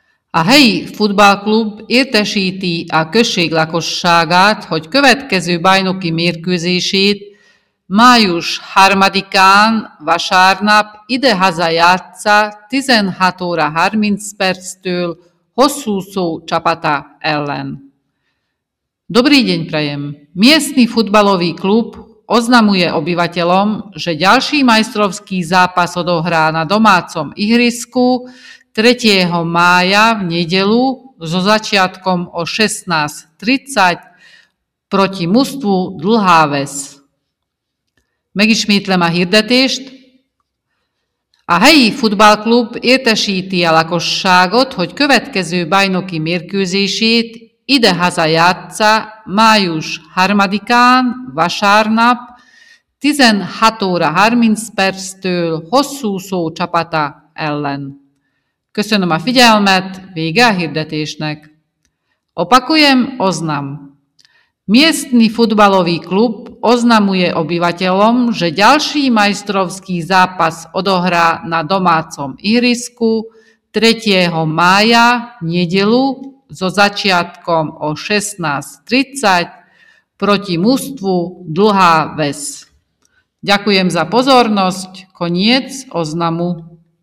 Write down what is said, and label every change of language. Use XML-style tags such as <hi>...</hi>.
<hu>A helyi futballklub értesíti a község lakosságát, hogy következő bajnoki mérkőzését május 3-án vasárnap idehaza játssza 16 óra 30 perctől Hosszúszó csapata ellen.</hu> <sk>Dobrý deň prajem. Miestny futbalový klub oznamuje obyvateľom, že ďalší majstrovský zápas odohrá na domácom ihrisku 3. mája v nedeľu so začiatkom o 16:30 proti mužstvu Dlhá Ves.</sk> <hu>Megismétlem a hirdetést. A helyi futballklub értesíti a lakosságot, hogy következő bajnoki mérkőzését idehaza játssza május 3-án, vasárnap, 16 óra 30 perctől Hosszúszó csapata ellen. Köszönöm a figyelmet, vége a hirdetésnek.</hu> <sk>Opakujem, oznam. Miestny futbalový klub oznamuje obyvateľom, že ďalší majstrovský zápas odohrá na domácom ihrisku 3. mája, nedeľu, so začiatkom o 16:30 proti mužstvu Dlhá Ves. Ďakujem za pozornosť. Koniec oznamu.</sk>